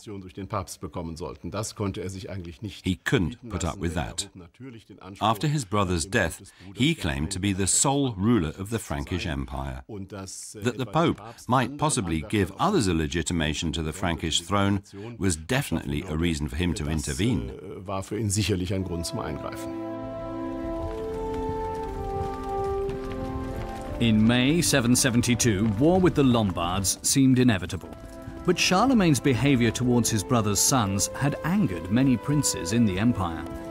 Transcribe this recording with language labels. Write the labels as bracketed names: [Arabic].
[German] Durch den Papst bekommen sollten. Das konnte er sich eigentlich nicht. [English] He couldn't put up with that. After his brother's death, he claimed to be the sole ruler of the Frankish Empire. That the Pope might possibly give others a legitimation to the Frankish throne was definitely a reason for him to intervene. [German] Das war für ihn sicherlich ein Grund zum Eingreifen. [English] In May 772, war with the Lombards seemed inevitable. But Charlemagne's behavior towards his brother's sons had angered many princes in the empire.